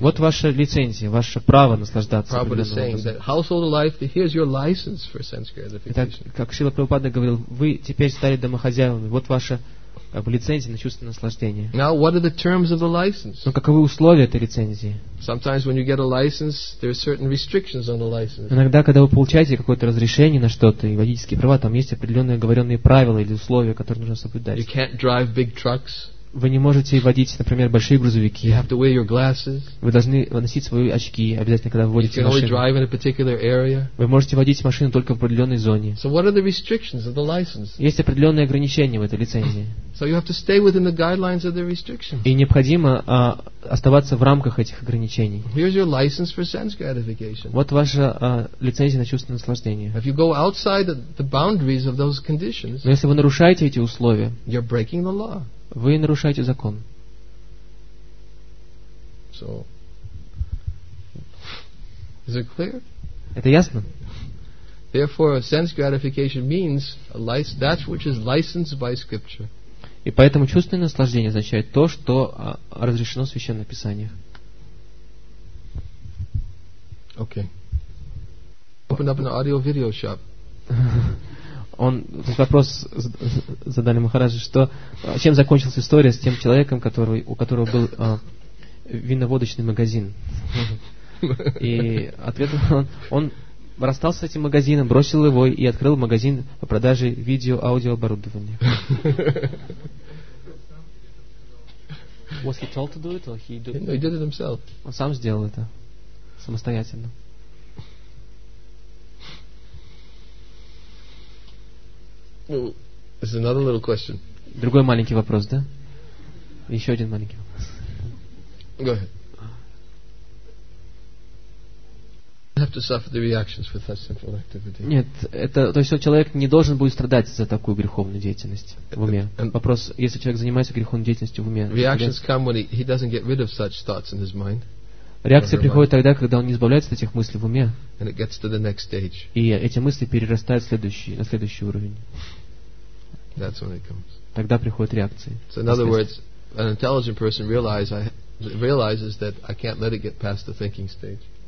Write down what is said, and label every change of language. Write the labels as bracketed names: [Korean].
[Russian] Вот ваша лицензия, ваше право наслаждаться. [English] Prabhupada is saying that household life, here's your license for sense gratification. [Russian] Итак, как Шрила Прабхупада говорил, вы теперь стали домохозяевами. Вот ваша лицензия на чувственное наслаждение. [English] Now what are the terms of the license? [Russian] Но каковы условия этой лицензии? [English] Sometimes when you get a license, there are certain restrictions on the license. [Russian] Иногда, когда вы получаете какое-то разрешение на что-то и водительские права, там есть определенные оговоренные правила или условия, которые нужно соблюдать. [English] You can't drive big trucks. [Russian] Вы не можете водить, например, большие грузовики. [English] You have to wear your glasses. [Russian] Вы должны носить свои очки обязательно, когда вы водите машину. [English] You can only drive in a particular area. [Russian] Вы можете водить машину только в определенной зоне. [English] So what are the restrictions of the license? [Russian] Есть определенные ограничения в этой лицензии. [English] So you have to stay within the guidelines of the restrictions. [Russian] И необходимо оставаться в рамках этих ограничений. [English] Here's your license for sense gratification. [Russian] Вот ваша лицензия на чувственное наслаждение. [English] If you go outside the boundaries of those conditions, [Russian] но если вы нарушаете эти условия, [English] you're breaking the law. [Russian] Вы нарушаете закон. [English] So, is it clear? [Russian] Это ясно? [English] Therefore, sense gratification means that which is licensed by Scripture. [Russian] И поэтому чувственное наслаждение означает то, что разрешено в Священном Писании. [English] Okay. Open up an audio video shop. [Russian] Он вопрос задали Махараджи, что чем закончилась история с тем человеком, который, у которого был виноводочный магазин. И ответ он расстался с этим магазином, бросил его и открыл магазин по продаже видео-аудиооборудования. [English] Was he told to do it or he did it? No, he did it himself. [Russian] Он сам сделал это самостоятельно. [English] This is another little question. [Russian] Другой маленький вопрос, да? Еще один маленький вопрос. [English] Go ahead. You have to suffer the reactions for such sinful activity. [Russian] Нет, это, то есть человек не должен будет страдать за такую греховную деятельность в уме. Вопрос, если человек занимается греховной деятельностью в уме. [English] Reactions come when he doesn't get rid of such thoughts in his mind. [Russian] Реакция приходит тогда, когда он не избавляется от этих мыслей в уме. [English] And it gets to the next stage. [Russian] И эти мысли перерастают на следующий уровень. [English] That's when it comes. [Russian] Тогда приходят реакции. [English] So in other words, an intelligent person realizes that I can't let it get past the thinking stage.